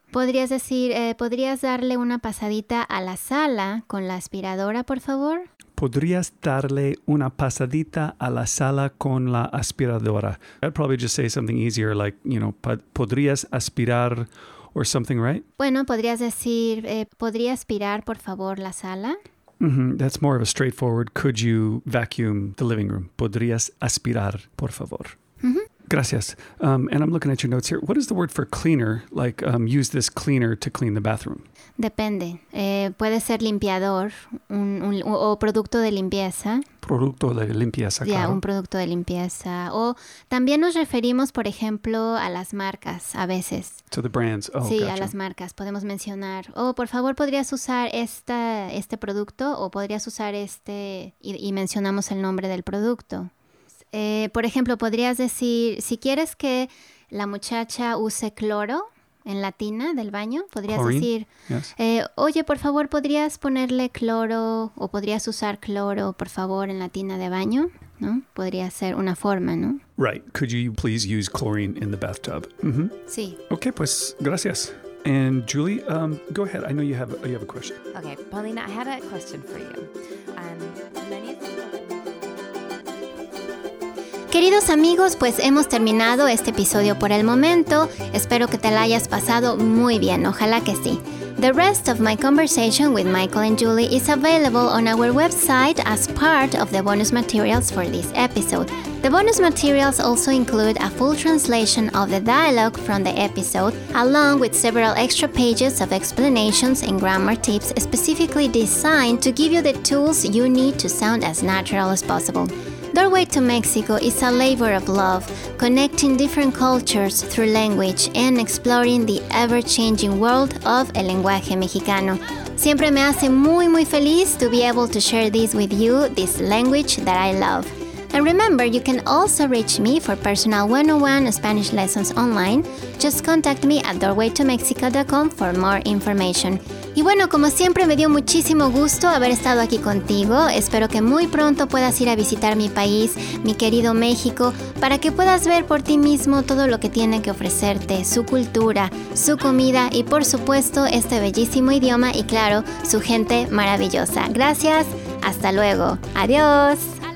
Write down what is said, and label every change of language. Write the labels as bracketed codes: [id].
[es] Podrías decir, podrías darle una pasadita a la sala con la aspiradora, por favor. Podrías darle una pasadita a la sala con la aspiradora. [en] I'd probably just say something easier like, you know, [es] podrías aspirar [en] or something, right? [es] Bueno, podrías decir, podría aspirar, por favor, la sala. [en] That's more of a straightforward, could you vacuum the living room? [es] ¿Podrías aspirar, por favor? Mm-hmm. [en] Gracias. And I'm looking at your notes here. What is the word for cleaner? Like, use this cleaner to clean the bathroom. [es] Depende. Puede ser limpiador o producto de limpieza. Producto de limpieza, claro. Ya, un producto de limpieza. O también nos referimos, por ejemplo, a las marcas a veces. [en] To the brands. Oh, [es] sí, [en] gotcha. [es] A las marcas. Podemos mencionar. Oh, por favor, ¿podrías usar este producto? O podrías usar este y mencionamos el nombre del producto. Por ejemplo, podrías decir, si quieres que la muchacha use cloro en la tina del baño, podrías [en] chlorine. [es] Decir, [en] yes. [es] Oye, por favor, ¿podrías ponerle cloro o podrías usar cloro, por favor, en la tina de baño? ¿No? Podría ser una forma, ¿no? [en] Right. Could you please use chlorine in the bathtub? Mm-hmm. [es] Sí. [en] Okay, [es] pues, gracias. [en] And Julie, go ahead. I know you have a question. Okay, Paulina, I had a question for you. [es] Queridos amigos, pues hemos terminado este episodio por el momento. Espero que te la hayas pasado muy bien, ojalá que sí. [en] The rest of my conversation with Michael and Julie is available on our website as part of the bonus materials for this episode. The bonus materials also include a full translation of the dialogue from the episode, along with several extra pages of explanations and grammar tips specifically designed to give you the tools you need to sound as natural as possible. Doorway to Mexico is a labor of love, connecting different cultures through language and exploring the ever-changing world of [es] el lenguaje mexicano. Siempre me hace muy muy feliz [en] to be able to share this with you, this language that I love. And remember, you can also reach me for personal 101 Spanish lessons online. Just contact me at doorwaytomexico.com for more information. [es] Y bueno, como siempre, me dio muchísimo gusto haber estado aquí contigo. Espero que muy pronto puedas ir a visitar mi país, mi querido México, para que puedas ver por ti mismo todo lo que tiene que ofrecerte, su cultura, su comida y, por supuesto, este bellísimo idioma y, claro, su gente maravillosa. Gracias, hasta luego. Adiós.